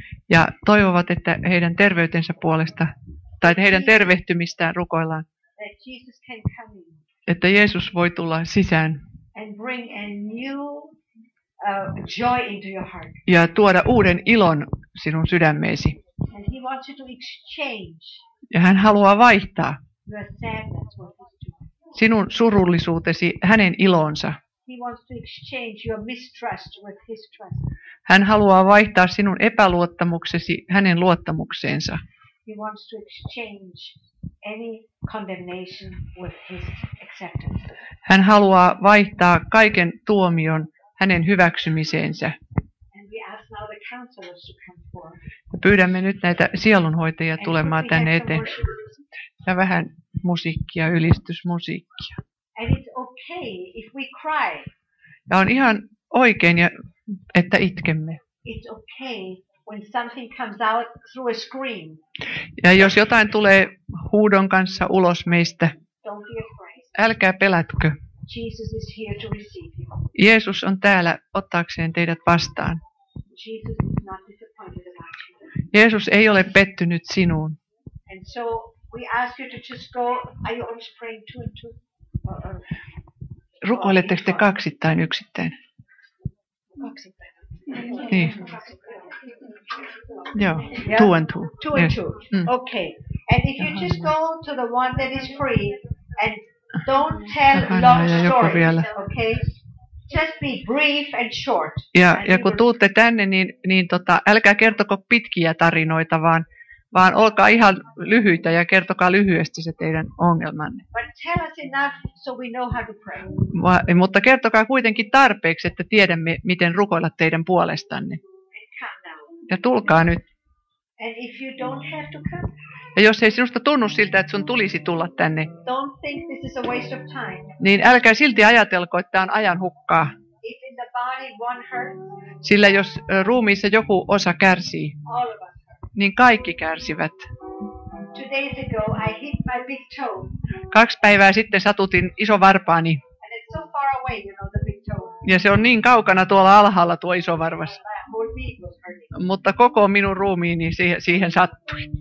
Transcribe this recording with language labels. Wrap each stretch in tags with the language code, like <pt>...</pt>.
<fi>Ja toivovat, että heidän terveytensä puolesta, tai heidän tervehtymistään rukoillaan.</fi> <en>That Jesus can come in.</en> <fi>Että Jeesus voi tulla sisään.</fi> <en>And bring a new, joy into your heart.</en> <fi>Ja tuoda uuden ilon sinun sydämeesi.</fi> <en>And he wants you to exchange.</en> <fi>Ja hän haluaa vaihtaa</fi> <en>your sadness with his joy.</en> <fi>Sinun surullisuutesi hänen ilonsa.</fi> <en>He wants to exchange your mistrust with his trust.</en> <fi>Hän haluaa vaihtaa sinun epäluottamuksesi hänen luottamukseensa.</fi> <en>He wants to exchange any condemnation with his acceptance.</en> <fi>Hän haluaa vaihtaa kaiken tuomion hänen hyväksymiseensä.</fi> <en>And we ask now the counselors to come forward.</en> <fi>Pyydämme nyt näitä sielunhoitajia tulemaan tänne eteen. Ja vähän musiikkia, ylistysmusiikkia.</fi> <en>And it's okay if we cry.</en> <fi>Ja on ihan oikein, että itkemme.</fi> <en>It's okay. When something comes out through a scream.</en> <fi>Ja jos jotain tulee huudon kanssa ulos meistä,</fi> <en>don't be afraid.</en> <fi>Älkää pelätkö.</fi> <en>Jesus is here to receive you.</en> <fi>Jeesus on täällä ottaakseen teidät vastaan.</fi> <en>Jesus is not disappointed about you.</en> <fi>Jeesus ei ole pettynyt sinuun.</fi> <en>And so we ask you to just go. Are you always praying two and two?</en> <fi>Rukoiletteko te kaksittain yksittäin? Kaksittain. Niin. Joo,</fi> <en>yeah. Two and two. Two and yes. Two. Mm. Okay. And if you just go to the one that is free and don't tell long stories, okay? Just be brief and short.</en> <fi>Ja kun tuutte tänne, niin älkää kertoko pitkiä tarinoita, vaan olkaa ihan lyhyitä ja kertokaa lyhyesti se teidän ongelmanne.</fi> <en>But tell us enough so we know how to pray.</en> <fi>Mutta kertokaa kuitenkin tarpeeksi, että tiedämme, miten rukoilla teidän puolestanne. Ja tulkaa nyt.</fi> <en>And if you don't have to come,</en> <fi>ja jos ei sinusta tunnu siltä, että sun tulisi tulla tänne,</fi> <en>don't think this is a waste of time.</en> <fi>Niin älkää silti ajatelko, että tämä on ajan hukkaa.</fi> <en>If in the body one hurts,</en> <fi>sillä jos ruumiissa joku osa kärsii,</fi> <en>all of us hurt.</en> <fi>Niin kaikki kärsivät.</fi> <en>Two days ago, I hit my big toe.</en> <fi>2 päivää sitten satutin iso varpaani.</fi> <en>And it's so far away, you know, the big toe.</en> <fi>Ja se on niin kaukana tuolla alhaalla tuo iso varvas. Mutta koko minun ruumiini siihen sattui.</fi>